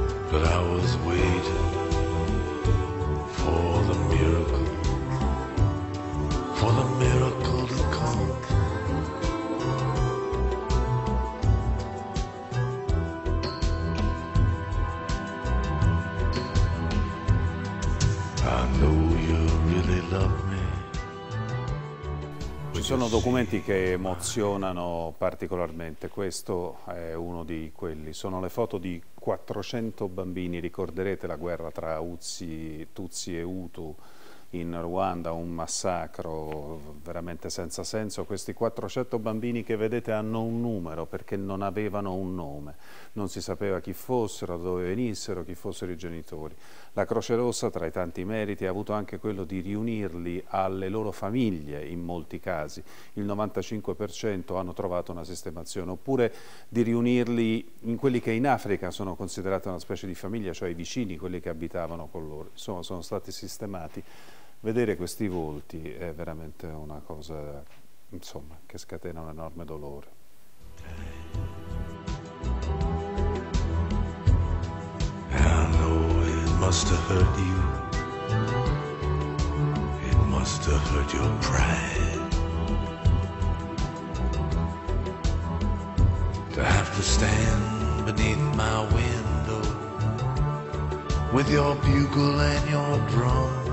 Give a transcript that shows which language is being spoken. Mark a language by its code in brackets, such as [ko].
[en] But I was waiting for the miracle, for the miracle to come. I know you really love me. [it] Ci sono documenti che emozionano particolarmente, questo è uno di quelli, sono le foto di 400 bambini, ricorderete la guerra tra Tutsi e Hutu in Ruanda, un massacro veramente senza senso. Questi 400 bambini che vedete hanno un numero, perché non avevano un nome, non si sapeva chi fossero, dove venissero, chi fossero i genitori. La Croce Rossa, tra i tanti meriti, ha avuto anche quello di riunirli alle loro famiglie in molti casi, il 95% hanno trovato una sistemazione, oppure di riunirli in quelli che in Africa sono considerati una specie di famiglia, cioè i vicini, quelli che abitavano con loro, insomma sono stati sistemati. Vedere questi volti è veramente una cosa, insomma, che scatena un enorme dolore. [en] I know it must have hurt you. It must have hurt your pride. To have to stand beneath my window with your bugle and your drum.